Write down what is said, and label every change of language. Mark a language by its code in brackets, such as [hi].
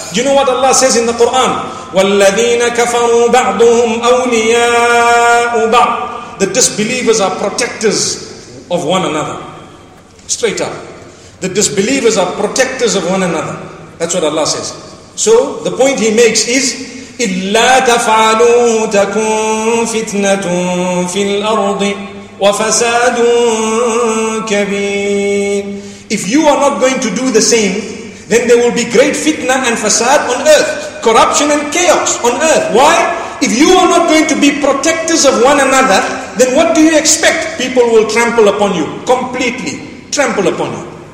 [en] Do you know what Allah says in the Quran? [ar] وَالَّذِينَ كَفَرُوا بَعْضُهُمْ أَوْلِيَاءُ بَعْضٍ [en] The disbelievers are protectors of one another. Straight up. The disbelievers are protectors of one another. That's what Allah says. So, the point He makes is, [ar] إلا تفعلوا تكون فتنة في الأرض وفساد كبير. [en] If you are not going to do the same, then there will be great fitna and fasad on earth, corruption and chaos on earth. Why? If you are not going to be protectors of one another, then what do you expect? People will trample upon you, completely trample upon you.